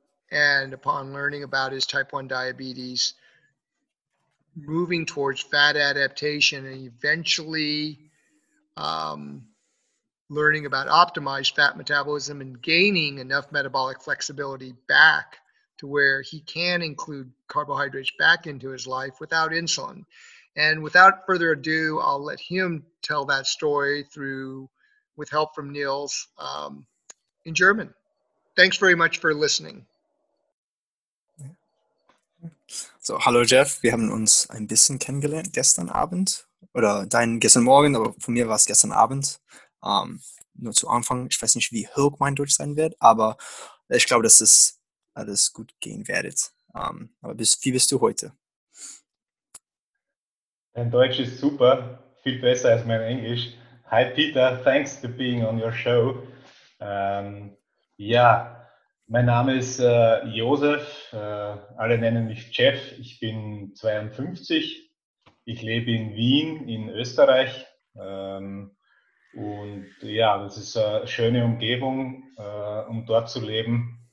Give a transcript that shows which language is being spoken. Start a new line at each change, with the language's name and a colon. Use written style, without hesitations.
English: And upon learning about his type 1 diabetes, moving towards fat adaptation and eventually learning about optimized fat metabolism and gaining enough metabolic flexibility back to where he can include carbohydrates back into his life without insulin. And without further ado, I'll let him tell that story with help from Nils in German. Thanks very much for listening.
German: So, hallo Jeff, wir haben uns ein bisschen kennengelernt gestern Abend oder gestern Morgen, aber von mir war es gestern Abend. Nur zu Anfang, ich weiß nicht, wie hoch mein Deutsch sein wird, aber ich glaube, dass es alles gut gehen wird. Aber wie bist du heute? Dein Deutsch ist super, viel besser als mein Englisch.
English: Hi Peter, thanks for being on your show.
German: Mein Name ist Josef, alle nennen mich Jeff, ich bin 52, ich lebe in Wien in Österreich und ja, das ist eine schöne Umgebung, um dort zu leben.